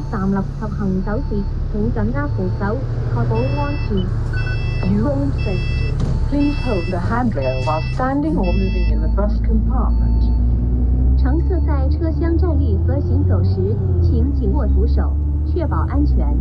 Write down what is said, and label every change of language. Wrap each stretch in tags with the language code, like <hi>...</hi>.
<zh>站立及行走時，请紧握扶手，确保安全。</zh> <en>Your own safety. Please hold the handrail while standing or moving in the bus compartment.</en> <zh>乘客在车厢站立和行走时，请紧握扶手，确保安全。</zh>